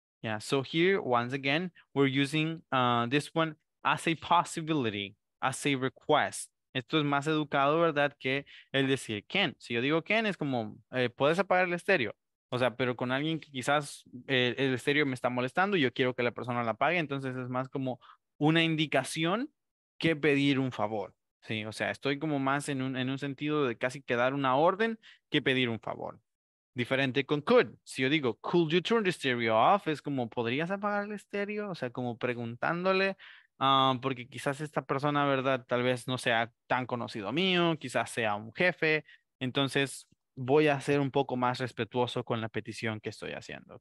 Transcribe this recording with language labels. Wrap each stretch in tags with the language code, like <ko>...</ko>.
<en>Yeah, so here, once again, we're using this one as a possibility, as a request.</en> <es>Esto es más educado, ¿verdad?, que el decir can. Si yo digo can, es como, ¿puedes apagar el estéreo? O sea, pero con alguien que quizás el estéreo me está molestando y yo quiero que la persona la apague, entonces es más como una indicación que pedir un favor. Sí, o sea, estoy como más en un sentido de casi que dar una orden que pedir un favor. Diferente con could. Si yo digo,</es> <en>could you turn the stereo off?</en> <es>Es como, ¿podrías apagar el estéreo? O sea, como preguntándole, porque quizás esta persona, ¿verdad?, tal vez no sea tan conocido mío, quizás sea un jefe. Entonces, voy a ser un poco más respetuoso con la petición que estoy haciendo.</es>